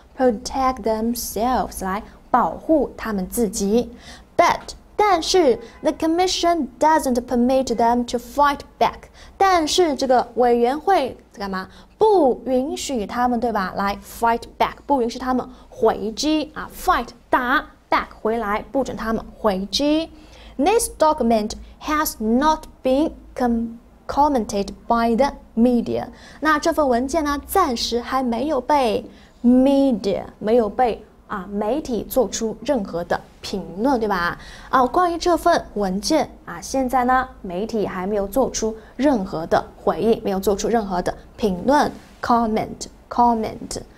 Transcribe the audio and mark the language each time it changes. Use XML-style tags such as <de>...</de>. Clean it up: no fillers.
<en>Protect themselves,</en> <zh>来保护他们自己</zh> <en>But,</en> <zh>但是</zh> <en>the commission doesn't permit them to fight back.</en> <zh>但是这个委员会在干嘛？不允许他们对吧？来</zh> <en>fight back,</en> <zh>不允许他们回击啊 ，fight 打 back 回来，不准他们回击。</zh> <en>This document has not been commented by the media.</en> <zh>那这份文件呢，暂时还没有被。Media 没有被啊媒体做出任何的评论，对吧？啊，关于这份文件啊，现在呢媒体还没有做出任何的回应，没有做出任何的评论 comment。</zh>